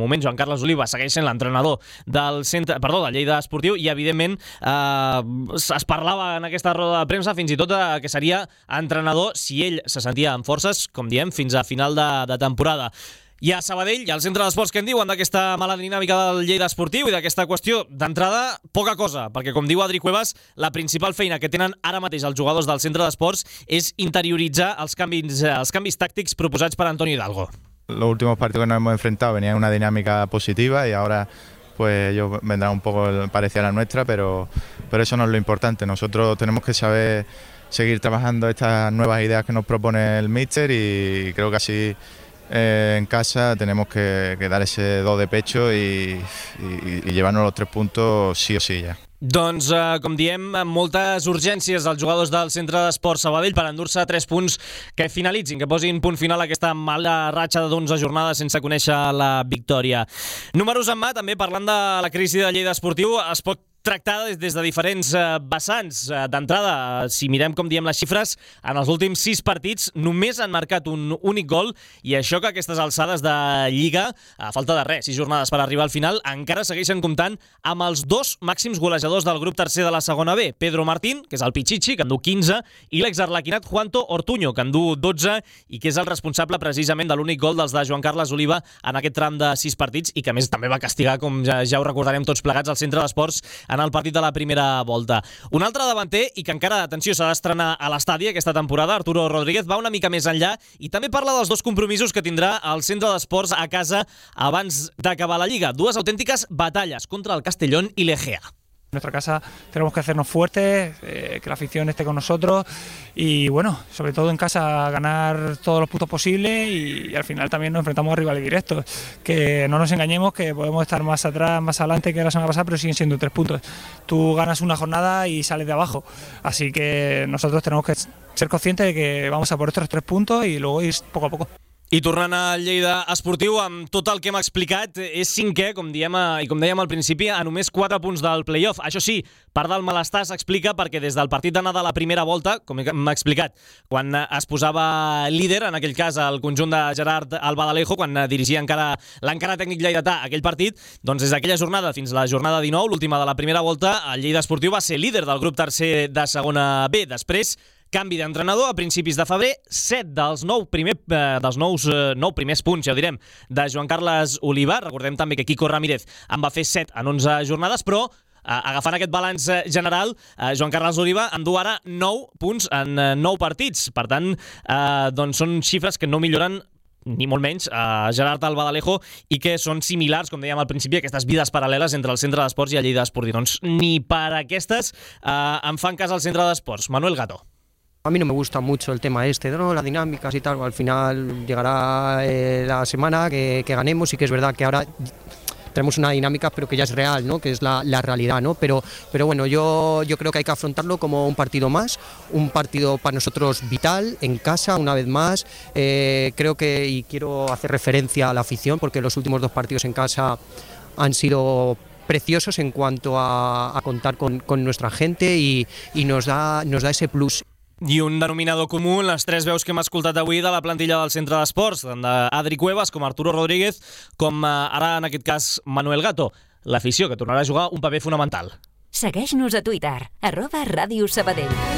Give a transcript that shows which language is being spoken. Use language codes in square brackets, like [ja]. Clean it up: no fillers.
[ca] De moment, Joan Carles Oliva segueix sent l'entrenador del Lleida Esportiu i, evidentment, es parlava en aquesta roda de premsa fins i tot que seria entrenador si ell se sentia amb forces, com diem, fins a final de temporada. I a Sabadell, i al Centre d'Esports, que en diuen d'aquesta mala dinàmica del Lleida Esportiu i d'aquesta qüestió? D'entrada, poca cosa, perquè com diu Adri Cuevas, la principal feina que tenen ara mateix els jugadors del Centre d'Esports és interioritzar els canvis tàctics proposats per Antonio Hidalgo. [es] Los últimos partidos que nos hemos enfrentado venían una dinámica positiva y ahora pues ellos vendrán un poco parecida a la nuestra, pero eso no es lo importante. Nosotros tenemos que saber seguir trabajando estas nuevas ideas que nos propone el míster y creo que así... En casa tenemos que dar ese do de pecho y llevarnos los tres puntos sí o sí ya. [ca] Doncs, com diem, moltes urgències als jugadors del Centre d'Esports Sabadell per endur-se 3 punts que finalitzin, que posin punt final a aquesta mala ratxa de 11 jornades sense conèixer la victòria. Números en mà, també parlant de la crisi de Lleida Esportiu, es pot tractar des de diferents vessants. D'entrada, si mirem, com diem, les xifres, en els últims 6 partits només han marcat un únic gol, i això que aquestes alçades de Lliga, a falta de res, 6 jornades per arribar al final, encara segueixen comptant amb els dos màxims golejadors del grup tercer de la segona B, Pedro Martín, que és el Pichichi, que en du 15, i l'exarlequinat Juanto Ortuño, que en du 12 i que és el responsable precisament de l'únic gol dels de Joan Carles Oliva en aquest tram de 6 partits i que a més també va castigar, com ja ho recordarem tots plegats, al Centre d'Esports en el partit de la primera volta. Un altre davanter, i que encara, atenció, s'ha d'estrenar a l'estadi aquesta temporada, Arturo Rodríguez, va una mica més enllà i també parla dels dos compromisos que tindrà el Centre d'Esports a casa abans d'acabar la Lliga. Dues autèntiques batalles contra el Castellón i l'Egea. [es] En nuestra casa tenemos que hacernos fuertes, que la afición esté con nosotros y, bueno, sobre todo en casa, ganar todos los puntos posibles y al final también nos enfrentamos a rivales directos. Que no nos engañemos, que podemos estar más atrás, más adelante que la semana pasada, pero siguen siendo 3 puntos. Tú ganas una jornada y sales de abajo. Así que nosotros tenemos que ser conscientes de que vamos a por estos 3 puntos y luego ir poco a poco. [ca] I tornant a Lleida Esportiu, amb tot el que hem explicat, és cinquè, com diem, i com dèiem al principi, a només 4 punts del play-off. Això sí, part del malestar s'explica perquè des del partit d'anada a la primera volta, com hem explicat, quan es posava líder, en aquell cas el conjunt de Gerard Albaladejo, quan dirigia encara l'encara tècnic lleidatà aquell partit, doncs des d'aquella jornada fins a la jornada 19, l'última de la primera volta, el Lleida Esportiu va ser líder del grup tercer de segona B. Després, canvi d'entrenador a principis de febrer, 7 dels 9 primers punts, ja ho direm, de Joan Carles Oliva. Recordem també que Quico Ramírez en va fer 7 en 11 jornades, però agafant aquest balanç general, Joan Carles Oliva en du ara 9 punts en 9 partits. Per tant, doncs són xifres que no milloren ni molt menys a Gerard Albaladejo i que són similars, com dèiem al principi, aquestes vides paral·leles entre el centre d'esports i el Lleida Esportiu. Doncs ni per aquestes en fan cas al centre d'esports. Manuel Gato. [es] A mí no me gusta mucho el tema este, ¿no? Las dinámicas y tal. Al final llegará la semana que ganemos, y que es verdad que ahora tenemos una dinámica, pero que ya es real, ¿no? Que es la realidad, ¿no? Pero bueno, yo creo que hay que afrontarlo como un partido más, un partido para nosotros vital, en casa, una vez más. Creo que, y quiero hacer referencia a la afición, porque los últimos dos partidos en casa han sido preciosos en cuanto a contar con nuestra gente y nos da ese plus. [ca] I un denominador comú en les tres veus que hem escoltat avui de la plantilla del centre d'esports, tant d'Adri Cuevas com Arturo Rodríguez, com ara en aquest cas Manuel Gato, l'afició que tornarà a jugar un paper fonamental. Segueix-nos a Twitter, @RadioSabadell.